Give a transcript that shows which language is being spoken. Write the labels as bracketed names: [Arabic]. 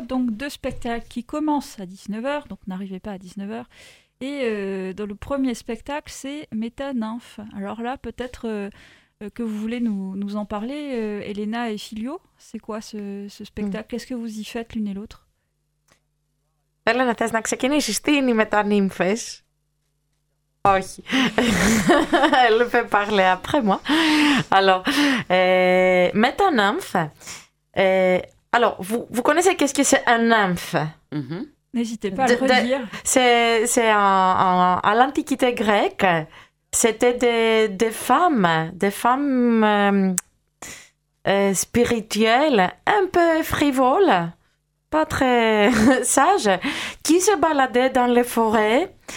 [French] Donc, deux spectacles qui commencent à 19h, donc n'arrivez pas à 19h. Et dans le premier spectacle, c'est Métanymph. Alors là, peut-être que vous voulez nous en parler, Elena et Filio. C'est quoi ce spectacle ? Qu'est-ce que vous y faites l'une et l'autre ? [Greek] Elena, θες να ξεκινήσεις, τι είναι οι Μετανύμφες ? Όχι, [French] elle peut parler après moi. Alors, Métanymphe, alors vous connaissez qu'est-ce que c'est un nymphe? N'hésitez pas à le redire. C'est à l'Antiquité grecque, c'était des femmes spirituelles, un peu frivoles, pas très sages, qui se baladaient dans les forêts.